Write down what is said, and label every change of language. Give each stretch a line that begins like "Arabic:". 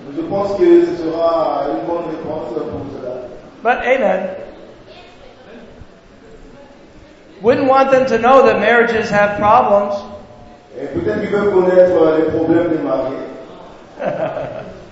French: Je pense que ce sera une bonne réponse pour cela.
English: But amen. Wouldn't want them to know that marriages have problems.
French: Et peut-être qu'ils veulent connaître les problèmes des mariés.